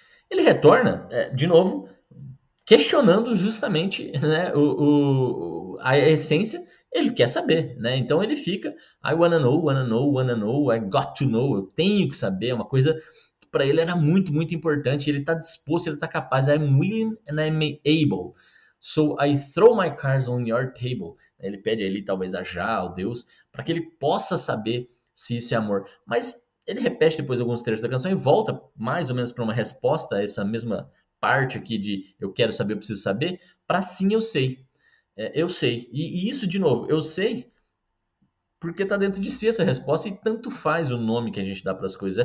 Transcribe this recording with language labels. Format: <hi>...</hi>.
<pt>Retorna, de novo, questionando justamente, né, a essência, ele quer saber, né? Então ele fica,</pt> <en>I wanna know, wanna know, wanna know, I got to know,</en> <pt>eu tenho que saber, é uma coisa que para ele era muito, muito importante, ele está disposto, ele está capaz,</pt> <en>I'm willing and I'm able. So I throw my cards on your table.</en> <pt>Ele pede ali, talvez, a Jah, ao Deus, para que ele possa saber se isso é amor. Mas ele repete depois alguns trechos da canção e volta mais ou menos para uma resposta a essa mesma parte aqui de eu quero saber, eu preciso saber, para sim, eu sei. Eu sei. E isso, de novo, eu sei porque está dentro de si essa resposta e tanto faz o nome que a gente dá para as coisas.</pt>